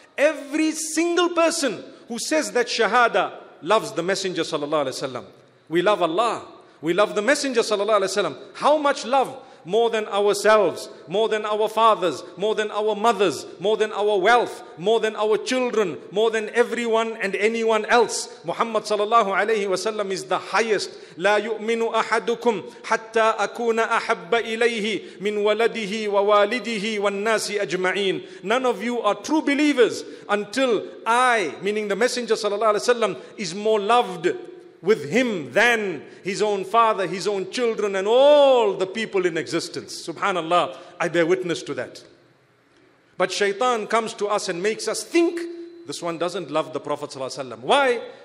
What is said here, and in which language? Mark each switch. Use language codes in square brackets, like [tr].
[en] Every single person who says that shahada loves the messenger sallallahu alaihi wasallam. We love Allah. We love the messenger sallallahu alaihi wasallam. How much love? More than ourselves, more than our fathers, more than our mothers, more than our wealth, more than our children, more than everyone and anyone else. Muhammad sallallahu alayhi wasallam is the highest. [ar] لا يؤمن أحدكم حتى أكون أحب إليه من ولده ووالده والناس أجمعين. [en] None of you are true believers until I, meaning the messenger sallallahu alayhi wasallam, is more loved with him than his own father, his own children, and all the people in existence. Subhanallah, I bear witness to that. But shaitan comes to us and makes us think, this one doesn't love the Prophet sallallahu alaihi wasallam. Why?